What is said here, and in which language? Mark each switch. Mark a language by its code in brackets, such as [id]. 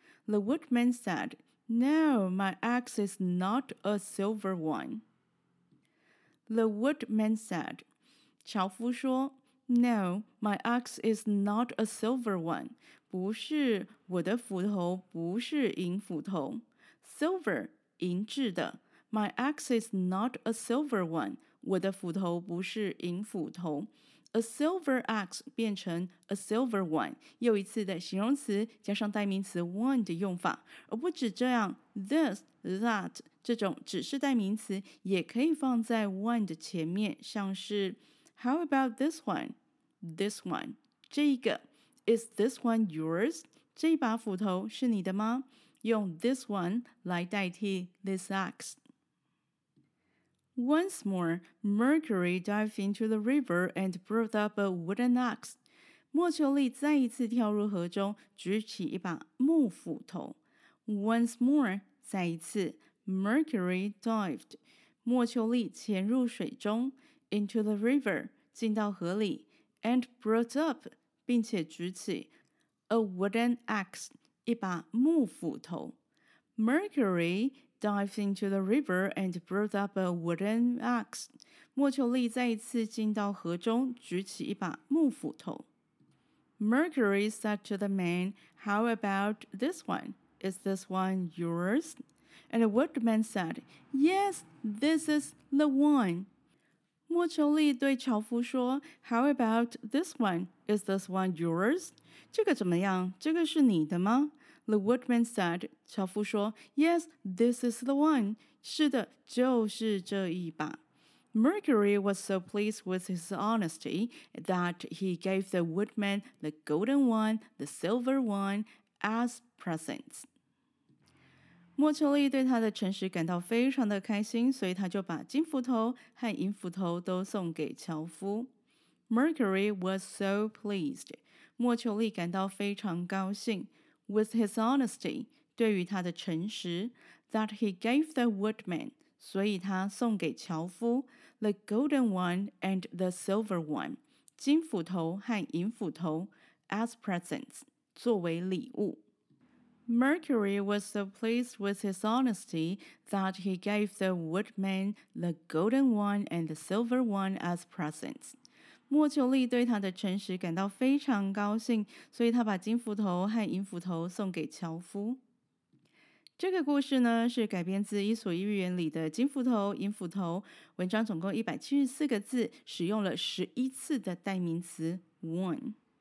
[en] The woodman said, No, my axe is not a silver one. The woodman said, [zh] 樵夫说 [en] No, my axe is not a silver one. [zh] 不是我的斧头不是银斧头 [en] Silver, [zh] 银制的 [en] My axe is not a silver one [zh] 我的斧头不是银斧头 [en] A silver axe [zh] 变成 [en] a silver one [zh] 又一次的形容词加上代名词 one 的用法而不止这样 This, that 这种只是代名词也可以放在 one 的前面像是 [en] How about this one? This one [zh] 这一个 [en] Is this one yours? [zh] 这把斧头是你的吗？用 this one 来代替 this axe. [en] Once more, Mercury dived into the river and brought up a wooden axe. [zh] 墨丘利再一次跳入河中，举起一把木斧头。 [en] Once more, [zh] 再一次 [en] Mercury dived. [zh] 墨丘利潜入水中 [en] into the river, [zh] 进到河里 [en] and brought up. [zh] 并且举起 [en] a wooden axe, [zh] 一把木斧头。 [en] Mercury dived into the river and brought up a wooden axe. [zh] 墨丘利再一次进到河中举起一把木斧头。 [en] Mercury said to the man, How about this one? Is this one yours? And the woodman said, Yes, this is the one. [zh] 墨丘利对樵夫说 [en] How about this one? Is this one yours? [zh] 这个怎么样？这个是你的吗？ [en] The woodman said, [zh] 樵夫说 [en] Yes, this is the one. [zh] 是的，就是这一把。 [en] Mercury was so pleased with his honesty that he gave the woodman the golden one, the silver one, as presents. [zh] 墨丘利对他的诚实感到非常的开心，所以他就把金斧头和银斧头都送给樵夫。 [en] Mercury was so pleased. [zh] 墨丘利感到非常高兴 [en] with his honesty, [zh] 对于他的诚实 [en] that he gave the woodman, [zh] 所以他送给樵夫 [en] the golden one and the silver one, [zh] 金斧头和银斧头 [en] as presents, [zh] 作为礼物。 [en] Mercury was so pleased with his honesty that he gave the woodman the golden one and the silver one as presents. [zh] 墨丘利对他的诚实感到非常高兴，所以他把金斧头和银斧头送给樵夫。这个故事呢，是改编自《伊索寓言》里的金斧头、银斧头。文章总共174个字，使用了11次的代名词 one。